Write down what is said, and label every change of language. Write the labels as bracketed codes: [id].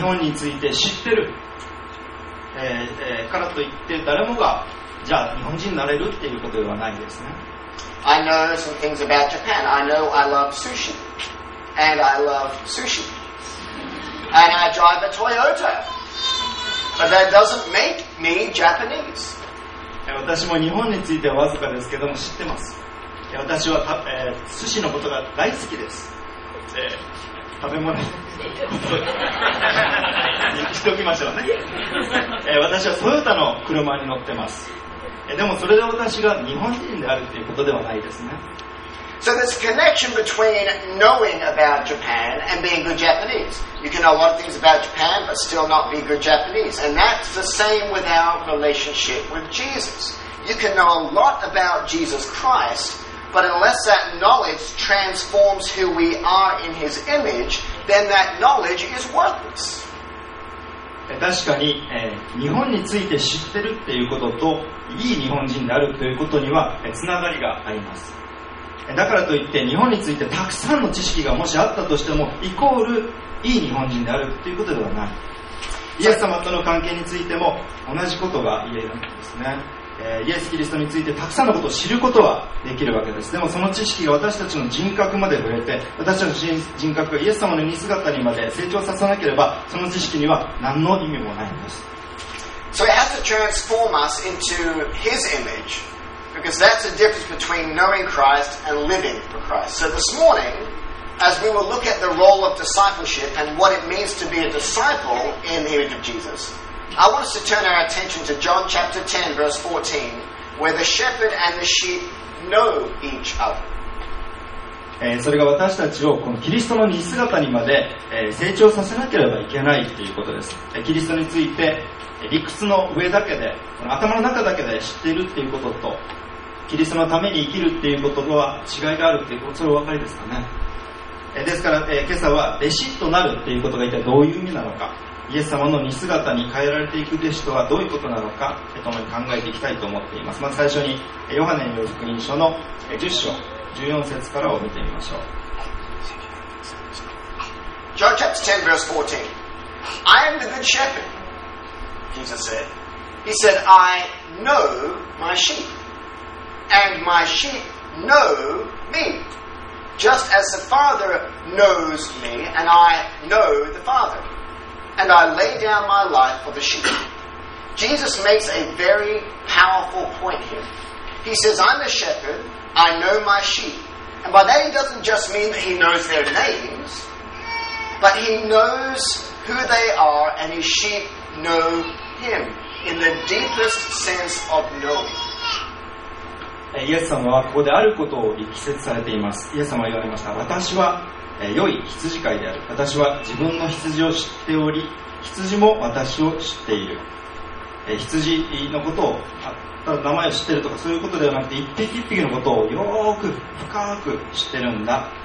[ja] 本について知ってる、からといって誰もがじゃあ日本人になれるっていうことではないですね。 [en] I know some things about Japan. I know I love sushi. And I love sushi. And I drive a Toyota. But that doesn't make me Japanese. [ja] 私も日本についてはわずかですけども知ってます。私は、寿司のことが大好きです。食べ物にしておきましょうね。私はトヨタの車に乗ってます。でもそれで私が日本人であるということではないですね。 [en] So there's a connection between knowing about Japan and being good Japanese. You can know a lot of things about Japan, but still not be good Japanese. And that's the same with our relationship with Jesus. You can know a lot about Jesus Christ, but unless that knowledge transforms who we are in His image, then that knowledge is worthless. [ja] 確かに、日本について知ってるっていうことといい日本人であるということには、つながりがあります。だからといって日本についてたくさんの知識がもしあったとしてもイコールいい日本人であるということではない。イエス様との関係についても同じことが言えるんですね。イエス・キリストについてたくさんのことを知ることはできるわけです。でもその知識が私たちの人格まで増えて私たちの 人格がイエス様の似姿にまで成長させなければその知識には何の意味もないんです。 [en] So it has to transform us into His imageBecause that's the difference between knowing Christ and living for Christ. So this morning, as we will look at the role of discipleship and what it means to be a disciple in the image of Jesus, I want us to turn our attention to John chapter 10, verse 14, where the shepherd and the sheep know each other. [ja] それが私たちをこのキリストの似姿にまで成長させなければいけないということです。キリストについて理屈の上だけで、この頭の中だけで知っているということと、キリストのために生きるということとは違いがあるということ、それお分かりですかね。ですから、今朝は弟子となるということが一体どういう意味なのか、イエス様の似姿に変えられていく弟子とはどういうことなのか、共に考えていきたいと思っています。まず最初にヨハネによる福音書の10章14節からを見てみましょう。 [en] John chapter 10 verse 14. I am the good shepherd, Jesus said. He said, I know my sheep, and my sheep know me, just as the Father knows me, and I know the Father, and I lay down my life for the sheep. Jesus makes a very powerful point here. He says, I'm the shepherd. I know my sheep. And by that he doesn't just mean that he knows their names, but he knows who they are and his sheep know him in the deepest sense of knowing. [ja] イエス様はここであることを力説されています。イエス様は言われました。私は良い羊飼いである。私は自分の羊を知っており、羊も私を知っている。羊のことをただ名前を知ってるとかそういうことではなくて一匹一匹のことをよく深く知ってるんだ。